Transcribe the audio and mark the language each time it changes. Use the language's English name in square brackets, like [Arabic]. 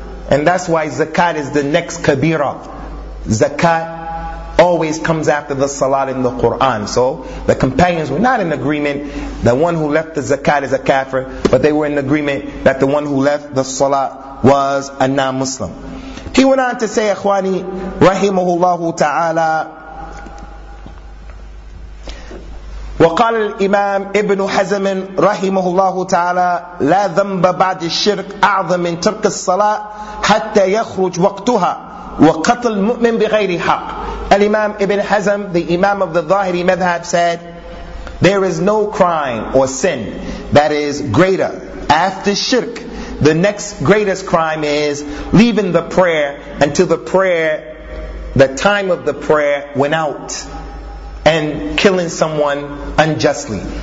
[English] And that's why zakat is the next kabira. Zakat always comes after the salat in the Quran. So the companions were not in agreement the one who left the zakat is a kafir, but they were in agreement that the one who left the salat was a non-Muslim. He went on to say, Akhwani, rahimahullahu ta'ala, [Arabic] وقال الإمام ابن حزم رحمه الله تعالى لا ذنب بعد الشرك أعظم من ترك الصلاة حتى يخرج وقتها وقتل المؤمن بغير حق. [English] الإمام ابن حزم, the Imam of the Zahiri Madhab, said, there is no crime or sin that is greater after shirk. The next greatest crime is leaving the prayer until the time of the prayer went out, and killing someone unjustly.